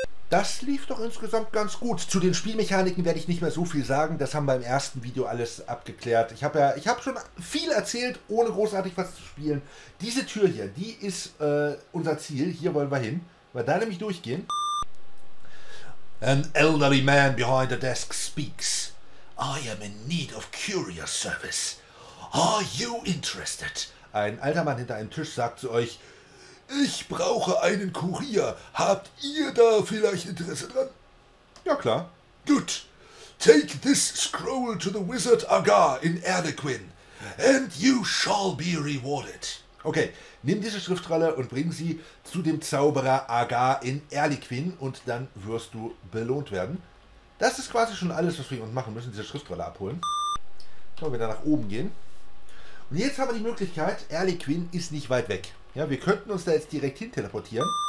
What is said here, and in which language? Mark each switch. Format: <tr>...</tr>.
<de>Das lief doch insgesamt ganz gut. Zu den Spielmechaniken werde ich nicht mehr so viel sagen. Das haben wir im ersten Video alles abgeklärt. Ich habe schon viel erzählt, ohne großartig was zu spielen. Diese Tür hier, die ist unser Ziel. Hier wollen wir hin, weil da nämlich durchgehen.</de> <en>An elderly man behind the desk speaks. I am in need of courier service. Are you interested?</en> <de>Ein alter Mann hinter einem Tisch sagt zu euch: Ich brauche einen Kurier. Habt ihr da vielleicht Interesse dran? Ja, klar. Gut.</de> <en>Take this scroll to the wizard Agar in Erdequin. And you shall be rewarded.</en> <de>Okay, nimm diese Schriftrolle und bring sie zu dem Zauberer Agar in Erdequin und dann wirst du belohnt werden. Das ist quasi schon alles, was wir uns machen müssen, diese Schriftrolle abholen. Können wir da nach oben gehen. Und jetzt haben wir die Möglichkeit, Erdequin ist nicht weit weg. Ja, wir könnten uns da jetzt direkt hin teleportieren.</de>